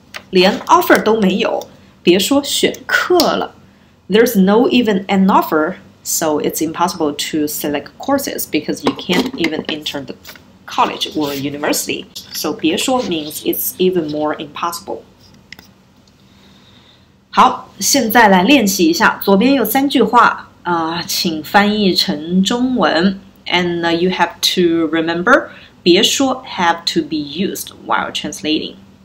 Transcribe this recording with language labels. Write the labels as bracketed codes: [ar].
[zh] 连 offer 都没有，别说选课了。 [en] There's no even an offer, so it's impossible to select courses because you can't even enter the college or university. So 别说 means it's even more impossible. [zh] 好，现在来练习一下，左边有三句话，请翻译成中文。 [en] And you have to remember, 别说 have to be used while translating.